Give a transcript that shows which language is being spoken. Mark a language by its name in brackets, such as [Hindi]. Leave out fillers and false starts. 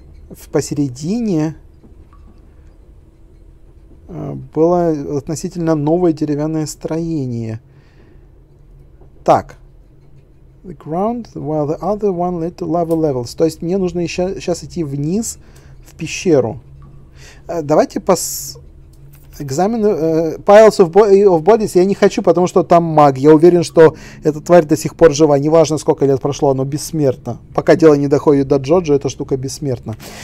[Russian] В посередине было относительно новое деревянное строение. Так. [English] The ground, while the other one led to lava levels. [Russian] То есть мне нужно еще сейчас идти вниз в пещеру. Давайте пос... Экзамен Piles of Bodies я не хочу, потому что там маг. Я уверен, что эта тварь до сих пор жива. Неважно, сколько лет прошло, оно бессмертно. Пока дело не доходит до Джоджо, эта штука бессмертна.